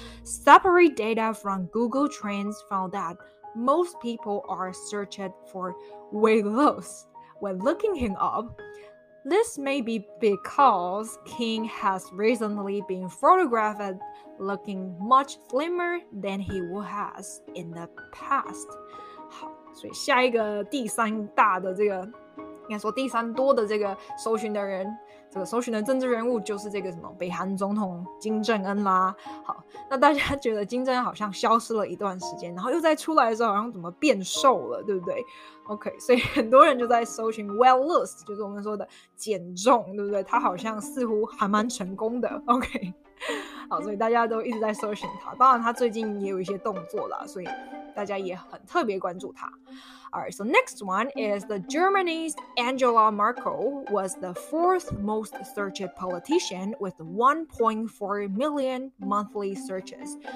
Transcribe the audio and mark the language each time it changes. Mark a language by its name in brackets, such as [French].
[English] Separate data from Google Trends found that most people are searched for weight loss when looking him upThis may be because King has recently been photographed looking much slimmer than he has in the past. [Chinese] 好，所以下一个第三大的这个，应该说第三多的这个搜寻的人，这个搜寻的政治人物就是这个什么北韩总统金正恩啦。好，那大家觉得金正恩好像消失了一段时间，然后又再出来的时候好像怎么变瘦了，对不对？ OK， 所以很多人就在搜寻 well lost， 就是我们说的减重，对不对？他好像似乎还蛮成功的。OK， 好，所以大家都一直在搜寻他，当然他最近也有一些动作啦，所以大家也很特别关注他。 [English] Alright, so next one is the Germany's Angela Merkel was the fourth most searched politician with 1.4 million monthly searches.